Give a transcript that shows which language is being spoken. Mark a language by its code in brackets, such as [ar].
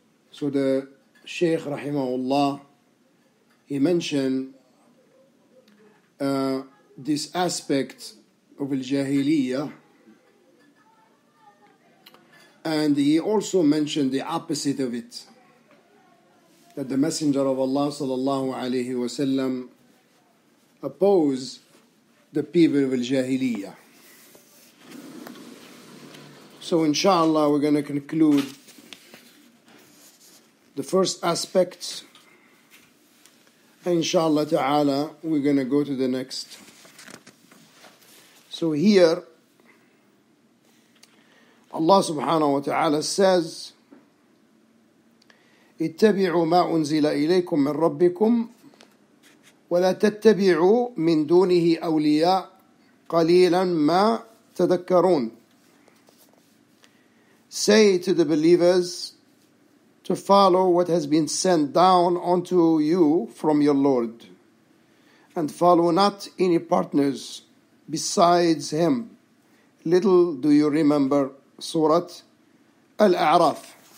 [en] So the Shaykh rahimahullah, he mentioned this aspect of al-jahiliyyah, and he also mentioned the opposite of it, that the Messenger of Allah sallallahu alayhi wa sallam opposed the people of al-jahiliyyah. So inshallah, we're going to conclude the first aspect, and inshallah ta'ala, we're going to go to the next. So here, Allah subhanahu wa ta'ala says, [ar] اتبعوا ما أنزل إليكم من ربكم ولا تتبعوا من دونه أولياء قليلا ما تذكرون. [en] Say to the believers to follow what has been sent down unto you from your Lord, and follow not any partners besides him. Little do you remember. Surah Al-A'raf.